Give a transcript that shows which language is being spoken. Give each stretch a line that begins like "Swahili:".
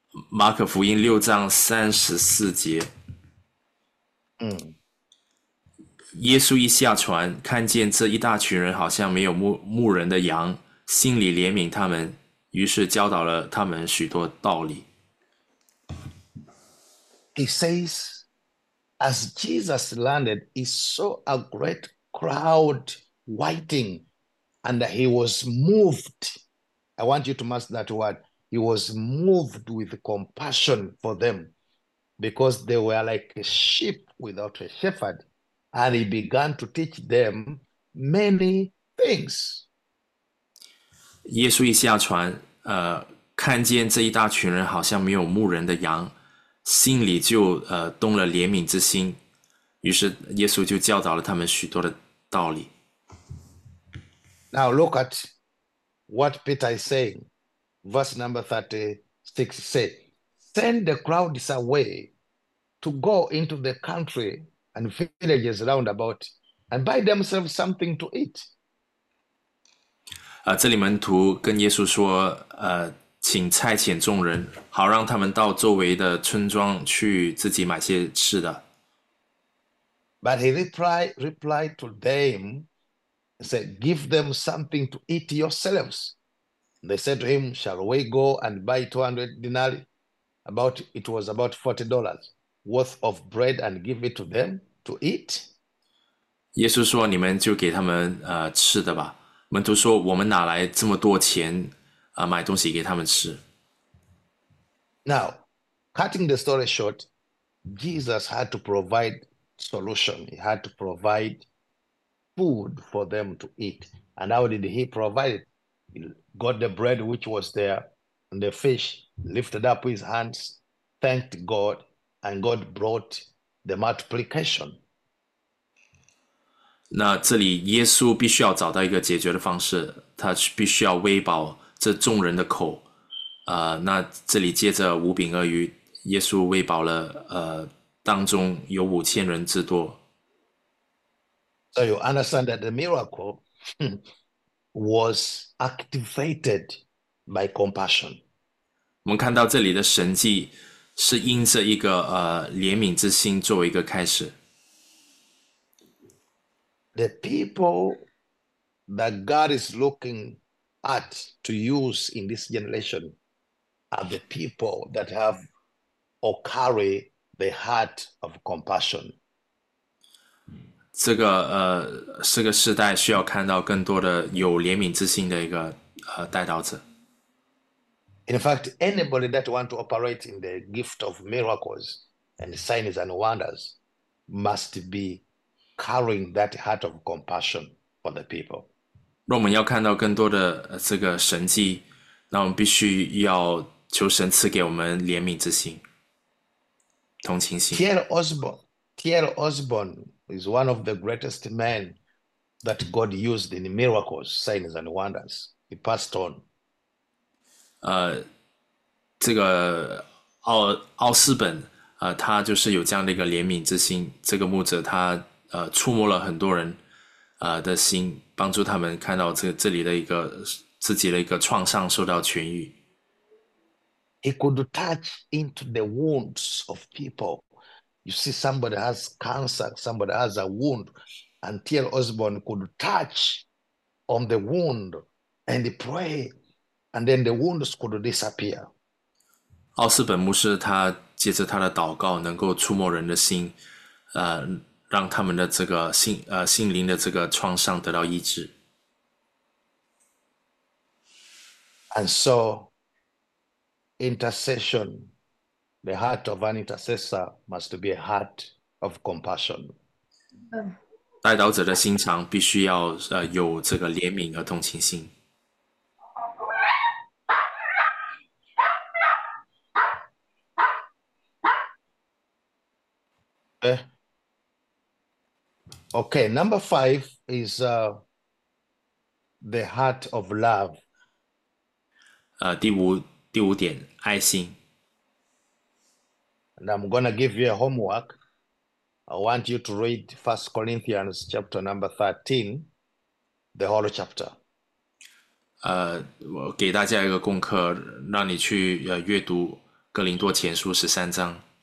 Chinese: 马可福音6章34节，耶稣一下船，看见这一大群人好像没有牧人的羊，心里怜悯他们，于是教导了他们许多道理。
English: He says, as Jesus landed, he saw a great crowd waiting, and he was moved. I want you to master that word. He was moved with compassion for them because they were like a sheep without a shepherd. And he began to teach them many things.
Chinese: 耶稣一下船，看见这一大群人好像没有牧人的羊，心里就动了怜悯之心，于是耶稣就教导了他们许多的道理。
English: Now look at what Peter is saying. Verse number 36 say, send the crowds away to go into the country and villages round about and buy themselves something to eat.
Chinese: 这里门徒跟耶稣说，请差遣众人，好让他们到周围的村庄去自己买些吃的。
English: But he replied to them, said, give them something to eat yourselves. They said to him, shall we go and buy 200 denarii? It was about $40 worth of bread and give it to them to eat?
Chinese: 耶稣说：“你们就给他们吃的吧。” 门徒说：“我们哪来这么多钱啊，买东西给他们吃
English: Now, cutting the story short, Jesus had to provide solution. He had to provide food for them to eat. And how did he provide it? He got the bread which was there and the fish, lifted up his hands, thanked God, and God brought the multiplication.
Chinese: ？”那这里耶稣必须要找到一个解决的方式，他必须要喂饱这众人的口，那这里接着五饼二鱼，耶稣喂饱了，当中有5000人之多。
English: So you understand that the miracle was activated by compassion.
Chinese: 我们看到这里的神迹，是因这一个怜悯之心作为一个开始。
English: The people that God is looking at to use in this generation are the people that have or carry the heart of compassion.
Chinese: 这个时代需要看到更多的有怜悯之心的一个代祷者。
English: In fact, anybody that want to operate in the gift of miracles and signs and wonders must be carrying that heart of compassion for the people.
Chinese: 若我们要看到更多的这个神迹，那我们必须要求神赐给我们怜悯之心、同情心。
English: T.L. Osborne is one of the greatest men that God used in miracles, signs, and wonders. He passed on.
Chinese: 这个奥斯本，他就是有这样的一个怜悯之心。这个牧者他触摸了很多人的心，帮助他们看到这里的一个自己的一个创伤受到痊愈。
English: He could touch into the wounds of people. You see, somebody has cancer, somebody has a wound, and T.L. Osborne could touch on the wound and pray, and then the wounds could disappear.
Chinese: 奥斯本牧师，他借着他的祷告，能够触摸人的心，让他们的这个心灵的这个创伤得到医治。
English: And so, intercession, the heart of an intercessor must be a heart of compassion.
Chinese: 代祷者的心肠必须要有这个怜悯和同情心。
English: Okay, number five is the heart of love.
Chinese: 第五点，爱心。
English: And I'm going to give you a homework. I want you to read 1 Corinthians chapter number 13, the whole chapter.
Chinese: 我给大家一个功课，让你去阅读《哥林多前书》13章。